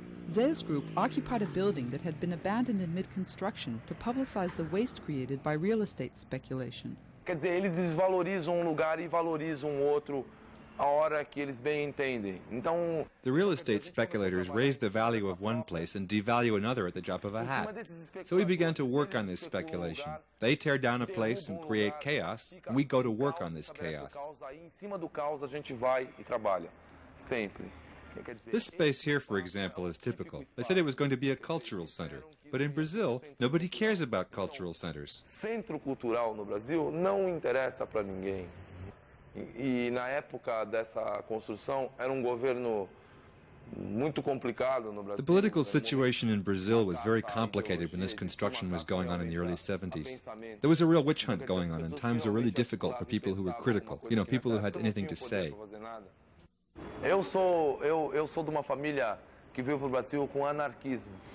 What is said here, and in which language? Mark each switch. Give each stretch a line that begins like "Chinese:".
English: Zea's group occupied a building that had been abandoned in mid-construction to publicize the waste created by real estate speculation.
Portuguese: Quer dizer, eles desvalorizam lugar e valorizam outro a hora que eles bem entendem. Então,
English: the real estate speculators raise the value of one place and devalue another at the drop of a hat. So we began to work on this speculation. They tear down a place and create chaos, and we go to work on this chaos.
Portuguese: Em cima do caos a gente vai e trabalha sempre.
English: This space here, for example, is typical. They said it was going to be a cultural center. But in Brazil, nobody cares about cultural centers.
Portuguese: Centro cultural no Brasil não interessa para ninguém. E na época dessa construção, era governo muito complicado no Brasil.
English: The political situation in Brazil was very complicated when this construction was going on in the early 70s. There was a real witch hunt going on, and times were really difficult for people who were critical, you know, people who had anything to say.
Portuguese: Eu sou de uma família que veio pro Brasil com anarquismo.